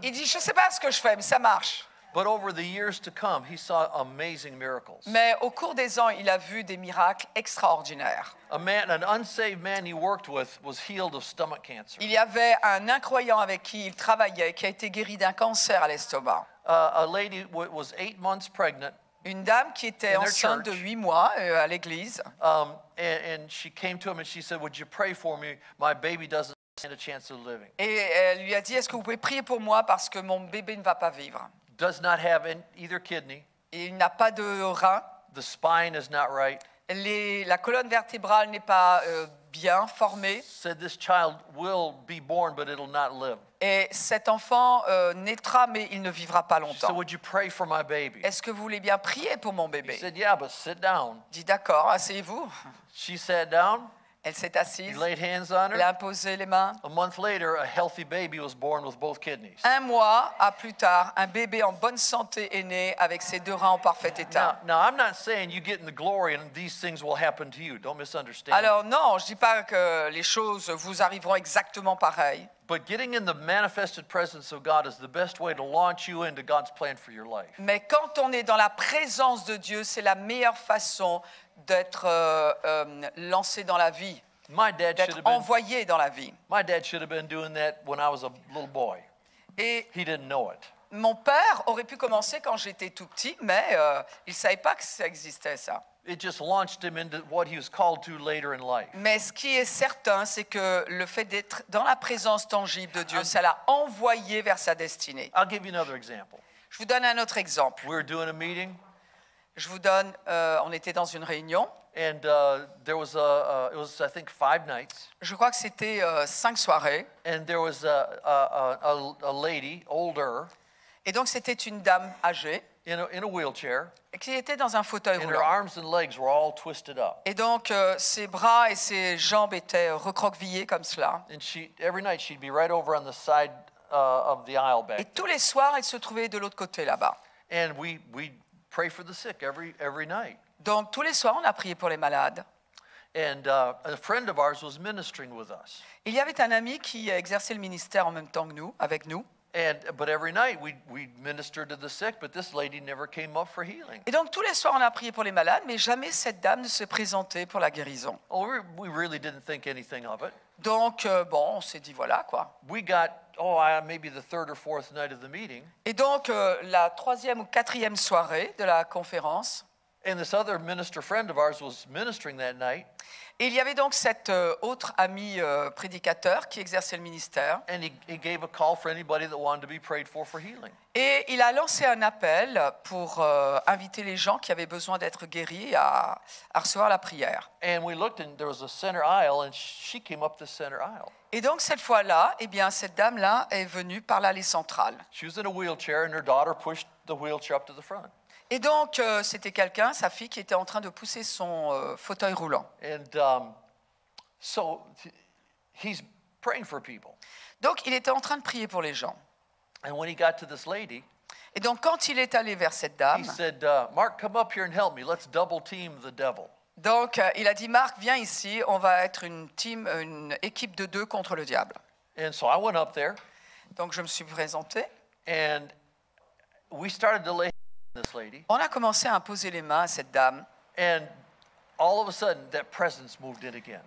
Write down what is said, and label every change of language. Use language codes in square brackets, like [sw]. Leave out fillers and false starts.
[fr] Il dit, je sais pas ce que je fais, mais ça marche. [en] But over the years to come, he saw amazing miracles. [fr] Mais au cours des ans, il a vu des miracles extraordinaires. [en] A man, an unsaved man he worked with, was healed of stomach cancer. [fr] Il y avait un incroyant avec qui il travaillait qui a été guéri d'un cancer à l'estomac. [en] A lady was 8 months pregnant. [fr] Une dame qui était enceinte de 8 mois à l'église. [en] And she came to him and she said, "Would you pray for me? My baby doesn't." And a chance of living. [fr] Et elle lui a dit, est-ce que vous pouvez prier pour moi parce que mon bébé ne va pas vivre. [en] Does not have either kidney. [fr] Il n'a pas de rein. [en] The spine is not right. [fr] La colonne vertébrale n'est pas bien formée. [en] Said this child will be born, but it'll not live. [fr] Et cet enfant naîtra, mais il ne vivra pas longtemps. [en] So would you pray for my baby? [fr] Est-ce que vous voulez bien prier pour mon bébé? [en] He said, "Yeah, but sit down." [fr] Dit d'accord, asseyez-vous. [en] She sat down. [fr] Elle s'est assise. [en] He laid hands on her. [fr] Il a imposé les mains. [en] A month later, a healthy baby was born with both kidneys. [fr] Un mois à plus tard, un bébé en bonne santé est né avec ses deux reins en parfait état. [en] Now, I'm not saying you get in the glory and these things will happen to you. Don't misunderstand. [fr] Alors non, je dis pas que les choses vous arriveront exactement pareil. [en] But getting in the manifested presence of God is the best way to launch you into God's plan for your life. [fr] Mais quand on est dans la présence de Dieu, c'est la meilleure façon d'être lancé dans la vie, d'être envoyé dans la vie. [en] My dad should have been doing that when I was a little boy. He didn't know it. [fr] Mon père aurait pu commencer quand j'étais tout petit, mais il savait pas que ça existait ça. [en] It just launched him into what he was called to later in life. [fr] Mais ce qui est certain, c'est que le fait d'être dans la présence tangible de Dieu, ça l'a envoyé vers sa destinée. [en] I'll give you another example. [fr] Je vous donne un autre exemple. [en] We were doing a meeting. [fr] Je vous donne, on était dans une réunion. [en] And there was it was I think 5 nights. [fr] Je crois que c'était 5 soirées. [en] And there was a lady older. [fr] Et donc c'était une dame âgée. [en] In a wheelchair. [fr] Et qui était dans un fauteuil roulant. [en] And her arms and legs were all twisted up. [fr] Et donc ses bras et ses jambes étaient recroquevillés comme cela. [en] And she every night she'd be right over on the side of the aisle back. [fr] Et tous les soirs elle se trouvait de l'autre côté là-bas. [en] And we pray for the sick every night. [fr] Donc tous les soirs on a prié pour les malades. [en] And a friend of ours was ministering with us. [fr] Il y avait un ami qui exerçait le ministère en même temps que nous, avec nous. [en] And but every night we ministered to the sick, but this lady never came up for healing. [fr] Et donc tous les soirs on a prié pour les malades, mais jamais cette dame ne se présentait pour la guérison. [en] Oh, we really didn't think anything of it. [fr] Donc bon, on s'est dit voilà quoi. [en] We got maybe the third or fourth night of the meeting. [fr] Et donc la troisième ou quatrième soirée de la conférence. [en] And this other minister friend of ours was ministering that night. [fr] Et il y avait donc cet autre ami prédicateur qui exerçait le ministère. [en] And he gave a call for anybody that wanted to be prayed for healing. [fr] Et il a lancé un appel pour inviter les gens qui avaient besoin d'être guéris à recevoir la prière. [en] And we looked and there was a center aisle and she came up the center aisle. [fr] Et donc cette fois-là, eh bien, cette dame-là est venue par l'allée centrale. [en] She was in a wheelchair and her daughter pushed the wheelchair up to the front. [fr] Et donc c'était quelqu'un, sa fille, qui était en train de pousser son fauteuil roulant. [en] And so he's praying for people. [fr] Donc il était en train de prier pour les gens. [en] And when he got to this lady, [fr] et donc quand il est allé vers cette dame, [en] he said, "Mark, come up here and help me. Let's double team the devil." [fr] Donc il a dit, Marc, viens ici, on va être une équipe de deux contre le diable. [en] And so I went up there. [fr] Donc je me suis présenté. [en] And we started to lay this lady. [fr] On a commencé à imposer les mains à cette dame. [en] And all of a sudden, that presence moved in again.